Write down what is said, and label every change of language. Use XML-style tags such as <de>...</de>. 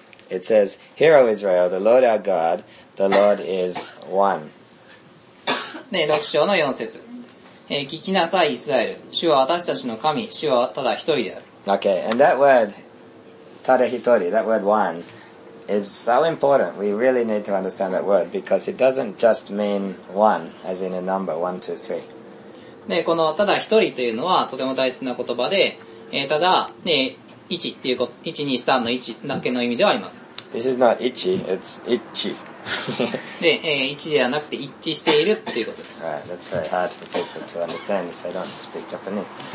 <en>It says, Hear, O Israel, the Lord our God, the Lord is one.</en> <ja>で、6章の4節。聞きなさい、イスラエル。主は私たちの神、主はただ一人である。</ja> <en>Okay, and that word, ただ一人、that word one, is so important. We really need to understand that word because it doesn't just mean one, as in a number, one, two, three.</en> <ja>で、この、ただ一人というのは、とても大切な言葉で、ただ、ね、一っていうこと、一、二、三の一だけの意味ではありません。</ja> <en>This is not 一 it's 一致。</en> <ja>で、一ではなくて一致しているっていうことです。</ja> <en>Right, that's very hard for people to understand if they don't speak Japanese.</en>